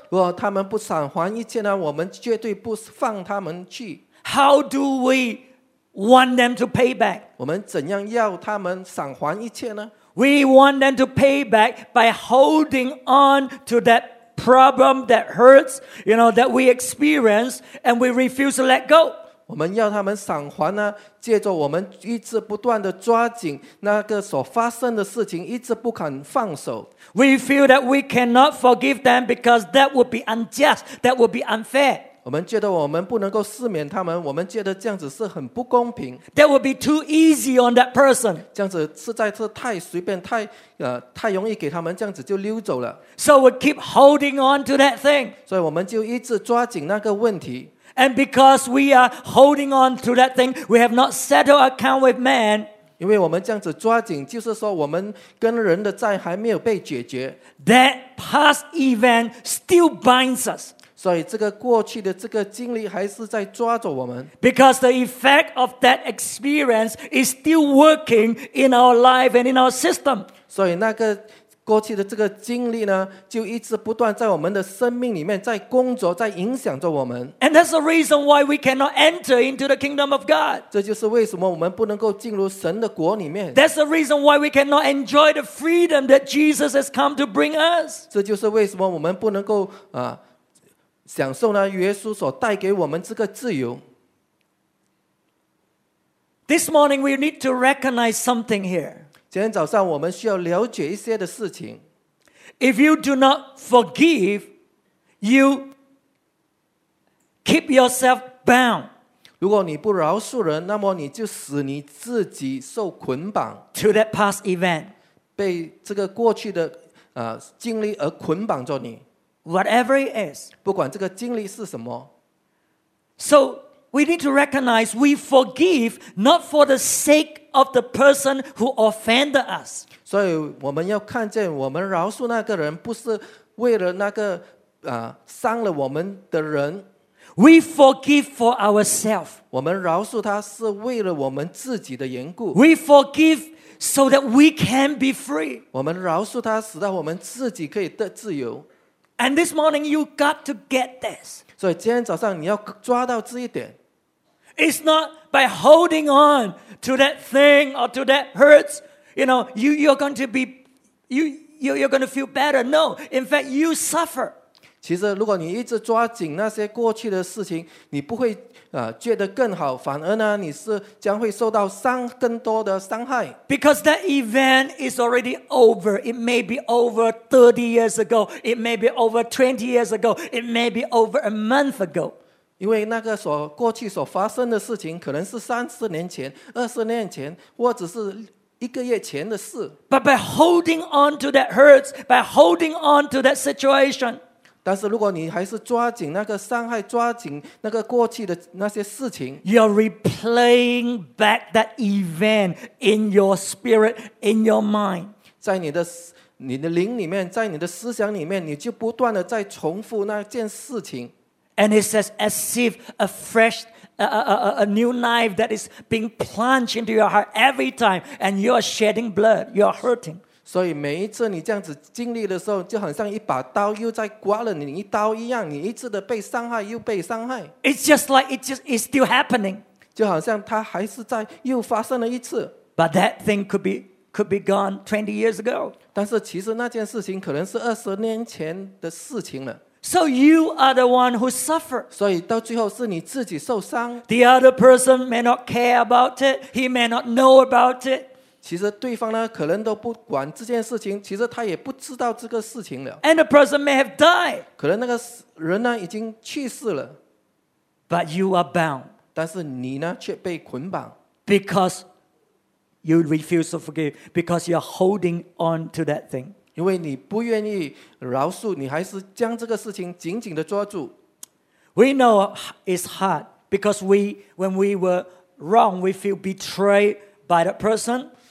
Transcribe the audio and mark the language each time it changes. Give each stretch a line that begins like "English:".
Chinese: 如果他们不偿还一切呢，我们绝对不放他们去。
English: How do we want them to pay back?
Chinese: 我们怎样要他们偿还一切呢？
English: We want them to pay back by holding on to that problem that hurts, you know, that we experience, and we refuse to let go.
Chinese: 我们要他们偿还呢，借着我们一直不断的抓紧那个所发生的事情，一直不肯放手。
English: We feel that we cannot forgive them because that would be unjust, that would be unfair.
Chinese: 我们觉得我们不能够赦免他们，我们觉得这样子是很不公平。
English: That would be too easy on that person.
Chinese: 这样子实在是太随便，太容易给他们，这样子就溜走了。
English: So we keep holding on to that thing.
Chinese: 所以我们就一直抓紧那个问题。
English: And because we are holding on to that thing, we have not settled account with man.
Chinese: 因为我们这样子抓紧，就是说我们跟人的债还没有被解决。
English: That past event still binds us.
Chinese: 所以这个过去的这个经历还是在抓着我们。
English: Because the effect of that experience is still working in our life and in our system.
Chinese: 所以那个过去的这个经历呢，就一直不断在我们的生命里面在工作，在影响着我们。
English: And that's the reason why we cannot enter into the kingdom of God.
Chinese: 这就是为什么我们不能够进入神的国里面。
English: That's the reason why we cannot enjoy the freedom that Jesus has come to bring us.
Chinese: 这就是为什么我们不能够享受呢耶稣所带给我们这个自由。
English: This morning we need to recognize something here.
Chinese: 今天早上我们需要了解一些的事情。
English: If you do not forgive, you keep yourself bound.
Chinese: 如果你不饶恕人，那么你就使你自己受捆绑。
English: To that past event.
Chinese: 被这个过去的经历而捆绑着你。
English: Whatever it is,
Chinese: 不管这个经历是什么。
English: So we need to recognize we forgive not for the sake of the person who offended us.
Chinese: 所以我们要看见我们饶恕那个人不是为了那个伤了我们的人。
English: We forgive for ourselves.
Chinese: 我们饶恕他是为了我们自己的缘故。
English: We forgive so that we can be free.
Chinese: 我们饶恕他使到我们自己可以得自由。
English: And this morning, you got to get this.
Chinese: 所以今天早上你要抓到这一点。
English: It's not by holding on to that thing or to that hurts. You know, you're going to feel better. No, in fact, you suffer.
Chinese: 其实如果你一直抓紧那些过去的事情，你不会觉得更好，反而呢，你是将会受到更多的伤害。
English: Because that event is already over. It may be over 30 years ago. It may be over 20 years ago. It may be over a month ago.
Chinese: 因为那个过去所发生的事情，可能是30年前、20年前，或者是一个月前的事。
English: But by holding on to that hurts, by holding on to that situation.
Chinese: 但是如果你还是抓紧那个伤害，抓紧那个过去的那些事情，
English: You're replaying back that event in your spirit, in your mind.
Chinese: 在你的灵里面，在你的思想里面，你就不断的在重复那件事情。
English: And it says as if a new knife that is being plunged into your heart every time, and you're shedding blood, you're hurting.
Chinese: 所以每一次你这样子经历的时候，就很像一把刀又在刮了你一刀一样，你一直的被伤害又被伤害。
English: It's just like it's still happening.
Chinese: 就好像它还是在又发生了一次。
English: But that thing could be gone 20 years ago.
Chinese: 但是其实那件事情可能是20年前的事情了。
English: So you are the one who suffer.
Chinese: 所以到最后是你自己受伤。
English: The other person may not care about it. He may not know about it.
Chinese: 其实对方呢可能都不管这件事情，其实他也不知道这个事情了。
English: And the person may have died.
Chinese: 可能那个人呢已经去世了。
English: But you are bound.
Chinese: 但是你呢却被捆绑。
English: Because you refuse to forgive. Because you are holding on to that thing.
Chinese: 因为你不愿意饶恕，你还是将这个事情紧紧地抓住。
English: We know it's hard because when we were wrong, we feel betrayed by that person.